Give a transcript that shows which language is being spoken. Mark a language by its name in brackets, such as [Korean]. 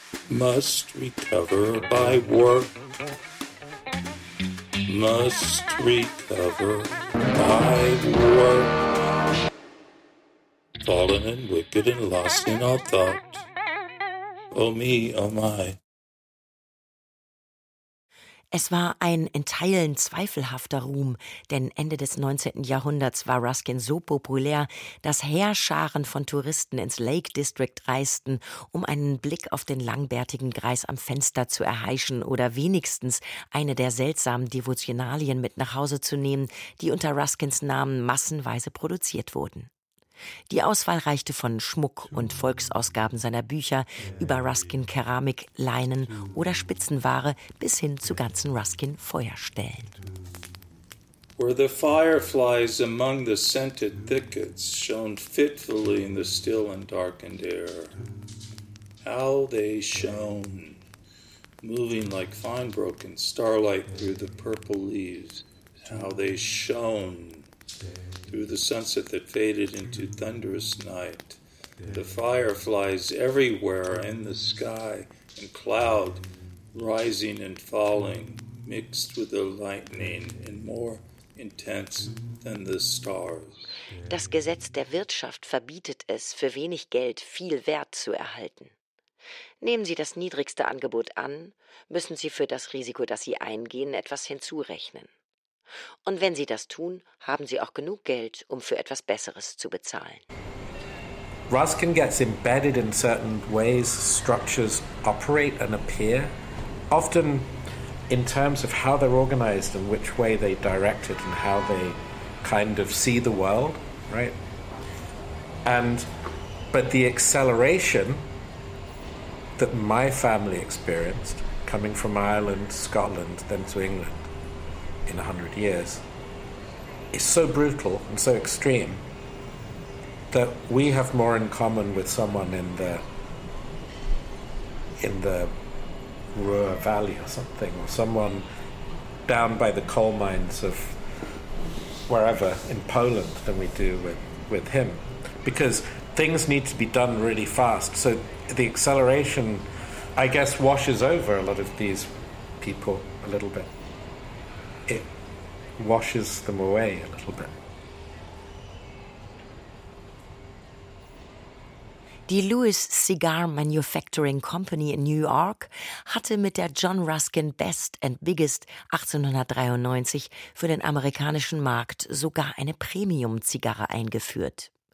[English] Must recover by work. Must recover by work. Fallen and wicked and lost in all thought. Oh me, oh my. [German] Es war ein in Teilen zweifelhafter Ruhm, denn Ende des 19. Jahrhunderts war Ruskin so populär, dass Heerscharen von Touristen ins Lake District reisten, um einen Blick auf den langbärtigen Greis am Fenster zu erheischen oder wenigstens eine der seltsamen Devotionalien mit nach Hause zu nehmen, die unter Ruskins Namen massenweise produziert wurden. Die Auswahl reichte von Schmuck und Volksausgaben seiner Bücher über Ruskin-Keramik, Leinen oder Spitzenware bis hin zu ganzen Ruskin-Feuerstellen. [English] Where the fireflies among the scented thickets shone fitfully in the still and darkened air. How they shone, moving like fine broken starlight through the purple leaves. How they shone through the sunset that faded into thunderous night. The fireflies everywhere in the sky and cloud rising and falling, mixed with the lightning and more intense than the stars. [German] Das Gesetz der Wirtschaft verbietet es, für wenig Geld viel Wert zu erhalten. Nehmen Sie das niedrigste Angebot an, müssen Sie für das Risiko, das Sie eingehen, etwas hinzurechnen. Und wenn Sie das tun, haben Sie auch genug Geld, um für etwas Besseres zu bezahlen. [English] Ruskin gets embedded in certain ways structures operate and appear, often in terms of how they're organized and which way they direct it and how they kind of see the world, right? But the acceleration that my family experienced coming from Ireland, Scotland, then to England in 100 years is so brutal and so extreme that we have more in common with someone in the Ruhr Valley or something, or someone down by the coal mines of wherever in Poland than we do with him, because things need to be done really fast. So the acceleration, I guess, washes over a lot of these people a little bit. It washes them away a little bit. [German] Die Lewis Cigar Manufacturing Company in New York hatte mit der John Ruskin Best and Biggest 1893 für den amerikanischen Markt sogar eine Premium-Zigarre eingeführt.